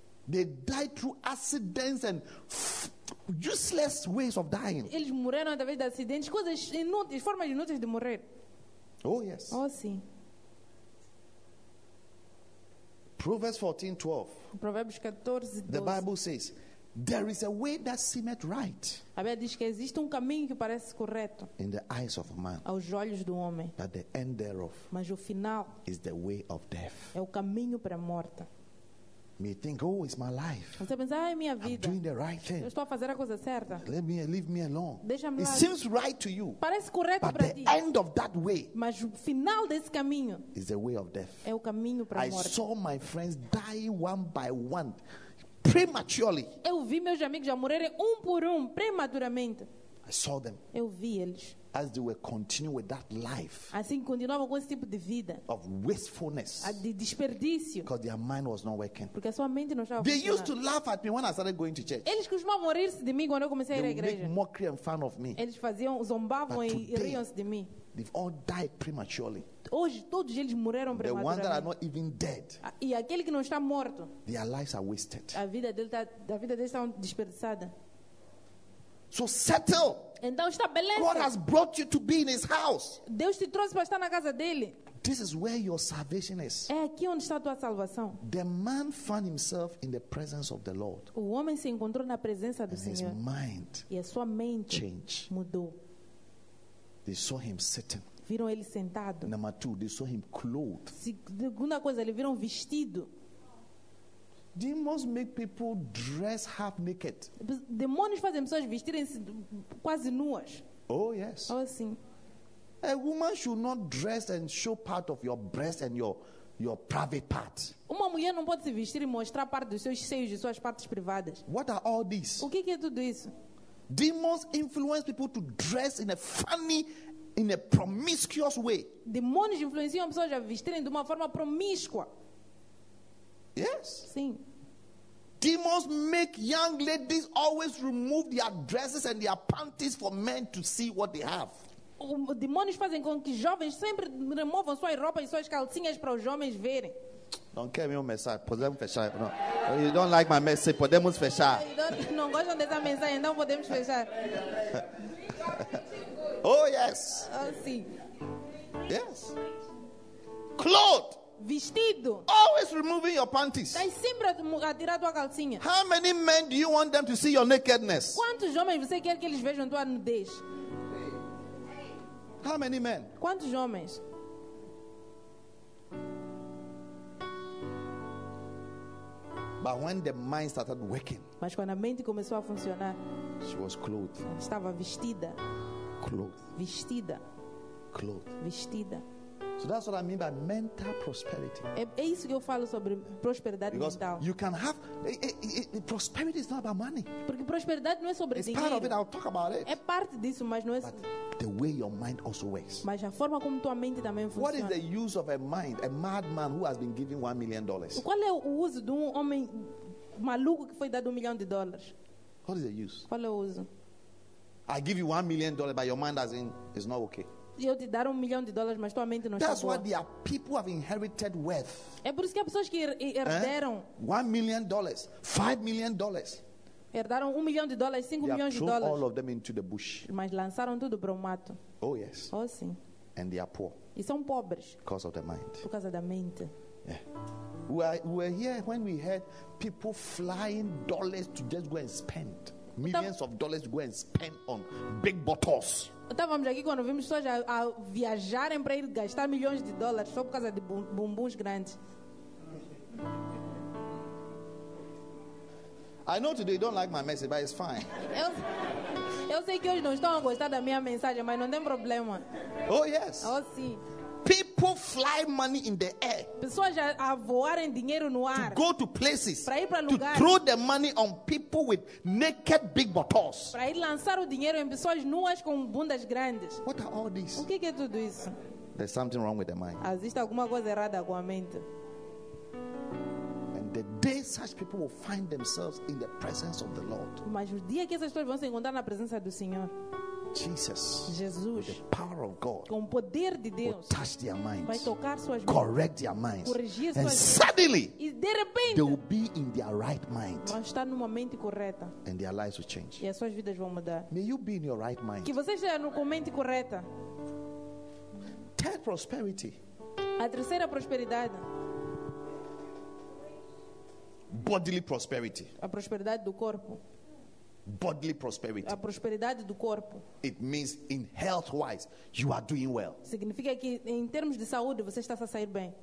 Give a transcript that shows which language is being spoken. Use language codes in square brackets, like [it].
[en] They die through accidents and useless ways of dying. [pt] Eles morreram através de acidentes, coisas inúteis, formas inúteis de morrer. [en] Oh yes. [pt] Oh sim. [en] Proverbs 14:12. [pt] Provérbios 14:12. [en] The Bible says, there is a way that seemeth right. [pt] A Bíblia diz que existe um caminho que parece correto. [en] In the eyes of man. [pt] Aos olhos do homem. [en] But the end thereof. [pt] Mas o final. [en] Is the way of death. [pt] É o caminho para a morte. [en] May think, oh, it's my life. [pt] Você pensa, ah, é minha vida. [en] I'm doing the right thing. [pt] Eu estou a fazer a coisa certa. [en] Let me leave me alone. [pt] Deixa-me [en] it [pt] lá. [en] Seems right to you. [pt] Parece correto para ti. [en] But the end of that way. [pt] Mas o final desse caminho. [en] Is the way of death. [pt] É o caminho para a morte. [en] I saw my friends die one by one, prematurely. [pt] Eu vi meus amigos já morrerem um por um, prematuramente. [en] I saw them. [pt] Eu vi eles. [en] As they were continuing with that life. [pt] Assim continuavam com esse tipo de vida. [en] Of wastefulness. [pt] De desperdício. [en] Because their mind was not working. [pt] Porque a sua mente não estava funcionando. [en] They used to laugh at me when I started going to church. [pt] Eles costumavam rir-se de mim quando eu comecei a ir à igreja. [en] They would make mockery and fun of me. [pt] Eles faziam, zombavam [en] today, [pt] e riam-se de mim. [en] They've all died prematurely. [pt] Hoje todos eles morreram prematuramente. [en] The ones that are not even dead. [pt] E aquele que não está morto. [en] Their lives are wasted. [pt] A vida deles está desperdiçada. [en] So settle. [pt] Então estabeleça. [en] God has brought you to be in His house. [pt] Deus te trouxe para estar na casa dele. [en] This is where your salvation is. [pt] É aqui onde está a tua salvação. [en] The man found himself in the presence of the Lord. [pt] O homem se encontrou na presença do [en] and [pt] Senhor. [en] His mind [pt] e a sua mente [en] changed. [pt] Mudou. [en] They saw him sitting. [pt] Viram ele sentado. [en] Number two, they saw him clothed. [pt] Segunda coisa, eles viram vestido. [en] Demons make people dress half naked. [pt] Demônios fazem pessoas vestirem-se quase nuas. [en] Oh yes. [pt] Oh sim. [en] A woman should not dress and show part of your breast and your private part. [pt] Uma mulher não pode se vestir e mostrar parte dos seus seios e suas partes privadas. [en] What are all these? [pt] O que é tudo isso? [en] Demons influence people to dress in a funny, in a promiscuous way. [pt] Demônios influenciam pessoas a vestirem de uma forma promíscua. [en] Yes. [pt] Sim. [en] Demons make young ladies always remove their dresses and their panties for men to see what they have. [pt] Demônios fazem com que jovens sempre removam suas roupas e suas calcinhas para os homens verem. [en] Don't care me on message. [pt] Podemos fechar. [en] No. You don't like my message. [pt] Podemos fechar. Não gostam dessa mensagem. Então podemos fechar. [en] Oh yes. [pt] Oh sim. [en] Yes. Clothed. [pt] Vestido. [en] Always removing your panties. [pt] Tá sempre a tirar tua calcinha. [en] How many men do you want them to see your nakedness? [pt] Quantos homens você quer que eles vejam tua nudez? [en] How many men? [pt] Quantos homens? [en] But when the mind started working. [pt] Mas quando a mente começou a funcionar. [en] She was clothed. [pt] Estava vestida. [en] Clothed. [pt] Vestida. [en] Clothed. [pt] Vestida. [en] So that's what I mean by mental prosperity. [pt] É isso que eu falo sobre prosperidade [en] because [pt] mental. [en] You can have prosperity is not about money. [pt] Porque prosperidade não é sobre [en] it's [pt] dinheiro. [en] It's part of it. I'll talk about it. [pt] É parte disso, mas não é. [en] But the way your mind also works. [pt] Mas a forma como tua mente também funciona. [en] What is the use of a mind, a madman who has been given $1 million? [pt] Qual é o uso de um homem maluco que foi dado $1 million? [en] What is the use? [pt] Qual é o uso? [en] I give you $1 million, but your mind doesn't. It's not okay. [pt] Eu te dar $1 million, mas tua mente não está [en] that's [pt] boa. [en] That's why there are people have inherited wealth. [pt] É por isso que há pessoas que herderam. [en] $1 million, $5 million. [pt] Herdaram $1 million, $5 million. [en] All of them into the bush. [pt] Mas lançaram tudo para o mato. [en] Oh yes. [pt] Oh sim. [en] And they are poor. [pt] E são pobres. [en] Because of the mind. [pt] Por causa da mente. [en] Yeah. We were here when we heard people flying dollars to just go and spend millions of dollars to go and spend on big bottles. [pt] Estávamos aqui quando vimos pessoas a viajarem para ir gastar milhões de dólares só por causa de bumbuns grandes. [en] I know today you don't like my message, but it's fine. [pt] Eu sei que hoje não estão a gostar da minha mensagem, mas não tem problema. [en] Oh yes. [pt] Oh sim. [en] People fly money in the air. [pt] Pessoas a voarem dinheiro no ar. [en] To go to places. [pt] Para ir para lugares. [en] To throw the money on people with naked big bottles. [pt] Para ir lançar o dinheiro em pessoas nuas com bundas grandes. [en] What are all these? [pt] O que é tudo isso? [en] There's something wrong with the mind. [pt] Existe alguma coisa errada com a mente. [en] The day such people will find themselves in the presence of the Lord. [pt] Mas o dia que essas pessoas vão se encontrar na presença do Senhor. [en] Jesus. [pt] Jesus. [en] With the power of God. [pt] Com o poder de Deus. [en] Will touch their minds. [pt] Vai tocar suas mentes. [en] Correct their minds. [pt] Corrigir suas mentes. [en] And suddenly. [pt] E de repente. [en] They will be in their right mind. [pt] Vão estar numa mente correta. [en] And their lives will change. [pt] E as suas vidas vão mudar. [en] May you be in your right mind. [pt] Que você esteja numa mente correta. [en] Third prosperity. [pt] A terceira prosperidade. [en] Bodily prosperity. [pt] A prosperidade do corpo. [en] Bodily prosperity. [pt] A prosperidade do corpo. [en] It means in health wise, you are doing well. [pt] Significa que em termos de saúde você está a sair bem.